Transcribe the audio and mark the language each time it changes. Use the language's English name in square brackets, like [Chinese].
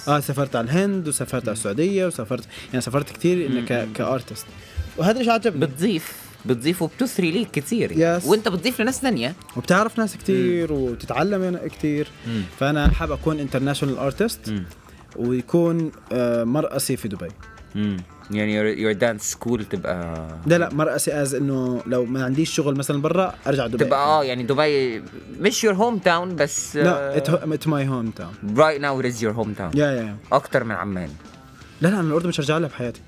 [Arabic] سافرت على الهند وسافرت على السعودية وسافرت، يعني سافرت كتير إنك كأرتست، وهذا إشي عجبني. بتضيف وبتثري ليك كتير. [English] yes. [Arabic] وانت بتضيف لناس ثانية وبتعرف ناس كتير وتتعلم كتير. فأنا حاب أكون [English] international artist [Arabic] ويكون مرأسي في دبي. يعني [English] your dance school [Arabic] تبقى ده. لا مرأسي [English] as [Arabic] انه لو ما عنديش شغل مثلا برا أرجع دبي تبقى. يعني دبي مش [English] your hometown [Arabic] بس [English] it's my hometown right now. It is your hometown. yeah, yeah, yeah. [Arabic] أكتر من عمان. لا لا، أنا الأردن مش هرجع لها بحياتي.